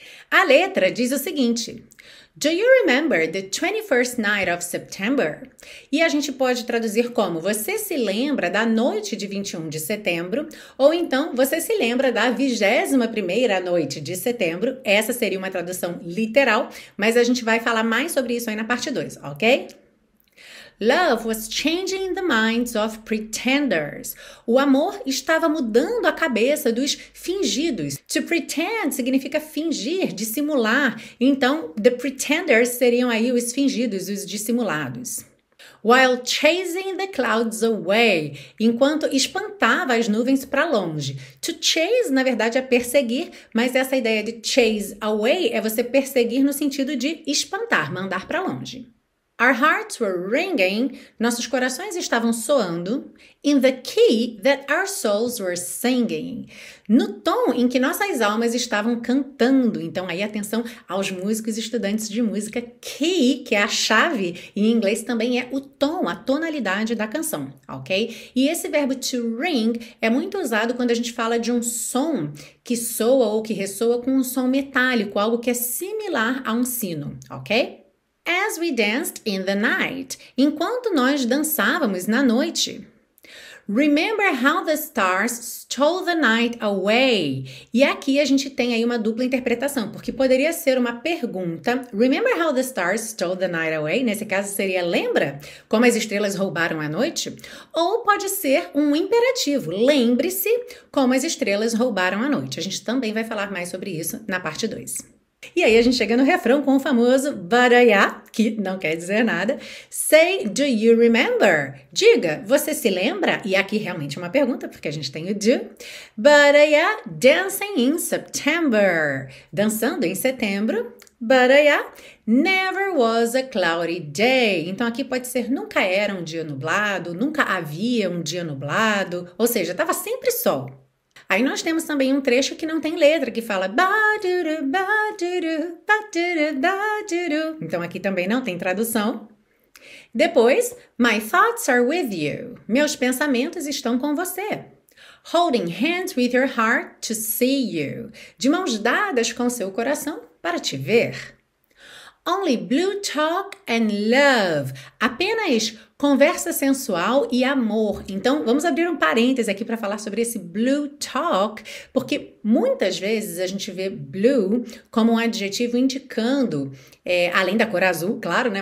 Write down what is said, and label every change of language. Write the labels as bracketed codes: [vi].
[pt] A letra diz o seguinte: [en] Do you remember the 21st night of September? [pt] E a gente pode traduzir como: você se lembra da noite de 21 de setembro? Ou então, você se lembra da 21ª noite de setembro? Essa seria uma tradução literal, mas a gente vai falar mais sobre isso aí na parte 2, ok? [en] Love was changing the minds of pretenders. [pt] O amor estava mudando a cabeça dos fingidos. To pretend significa fingir, dissimular. Então, the pretenders seriam aí os fingidos, os dissimulados. [en] While chasing the clouds away, [pt] enquanto espantava as nuvens para longe. To chase, na verdade, é perseguir, mas essa ideia de chase away é você perseguir no sentido de espantar, mandar para longe. [en] Our hearts were ringing, [pt] nossos corações estavam soando, [en] in the key that our souls were singing, [pt] no tom em que nossas almas estavam cantando. Então aí atenção aos músicos e estudantes de música, key, que é a chave, em inglês também é o tom, a tonalidade da canção, ok? E esse verbo to ring é muito usado quando a gente fala de um som que soa ou que ressoa com um som metálico, algo que é similar a um sino, ok? [en] As we danced in the night, [pt] enquanto nós dançávamos na noite. [en] Remember how the stars stole the night away? [pt] E aqui a gente tem aí uma dupla interpretação, porque poderia ser uma pergunta: [en] Remember how the stars stole the night away? [pt] Nesse caso seria: Lembra como as estrelas roubaram a noite? Ou pode ser um imperativo: Lembre-se como as estrelas roubaram a noite. A gente também vai falar mais sobre isso na parte 2. E aí a gente chega no refrão com o famoso baraiá, que não quer dizer nada. [en] Say, do you remember? [pt] Diga, você se lembra? E aqui realmente é uma pergunta, porque a gente tem o do. [en] Baraiá, dancing in September. [pt] Dançando em setembro. [en] Baraiá, never was a cloudy day. [pt] Então aqui pode ser nunca era um dia nublado, nunca havia um dia nublado, ou seja, estava sempre sol. Aí nós temos também um trecho que não tem letra, que fala ba-du-ru, ba-du-ru, ba-du-ru, ba-du-ru. Então aqui também não tem tradução. [en] Depois, my thoughts are with you. [pt] Meus pensamentos estão com você. [en] Holding hands with your heart to see you. [pt] De mãos dadas com seu coração para te ver. [en] Only blue talk and love. [pt] Apenas conversa sensual e amor. Então, vamos abrir um parêntese aqui para falar sobre esse blue talk, porque muitas vezes a gente vê blue como um adjetivo indicando, além da cor azul, claro, né?